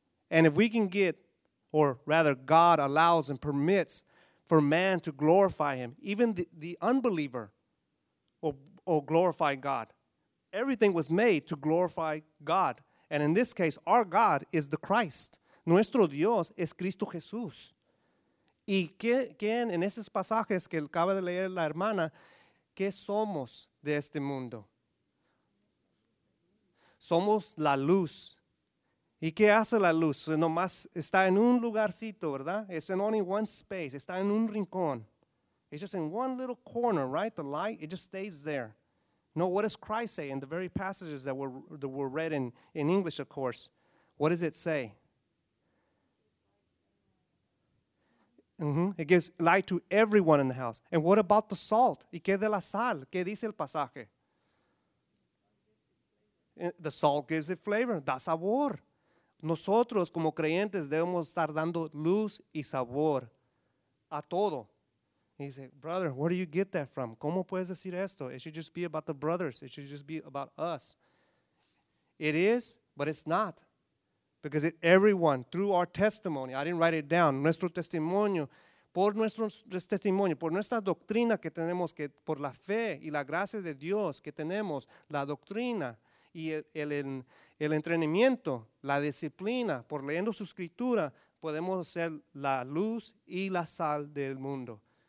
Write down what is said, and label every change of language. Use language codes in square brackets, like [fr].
[en] And if we can get, or rather God allows and permits for man to glorify him, even the unbeliever will glorify God. Everything was made to glorify God. And in this case, our God is the Christ. [es] Nuestro Dios es Cristo Jesús. ¿Y quién en esos pasajes que acaba de leer la hermana, qué somos de este mundo? Somos la luz. ¿Y qué hace la luz? Nomás está en un lugarcito, ¿verdad? [en] It's in only one space. [es] Está en un rincón. [en] It's just in one little corner, right? The light, it just stays there. No, what does Christ say in the very passages that were read in English, of course? What does it say? Mm-hmm. It gives light to everyone in the house. And what about the salt? [es] ¿Y qué de la sal? ¿Qué dice el pasaje? [en] The salt gives it flavor, [es] da sabor. Nosotros como creyentes debemos estar dando luz y sabor a todo. [en] He said, brother, where do you get that from? [es] ¿Cómo puedes decir esto? [en] It should just be about the brothers. It should just be about us. It is, but it's not. Because everyone, through our testimony, I didn't write it down, [es] nuestro testimonio, por nuestra doctrina que tenemos, que por la fe y la gracia de Dios que tenemos, la doctrina, y el entrenamiento, la disciplina, por leyendo su escritura, podemos ser la luz y la sal del mundo.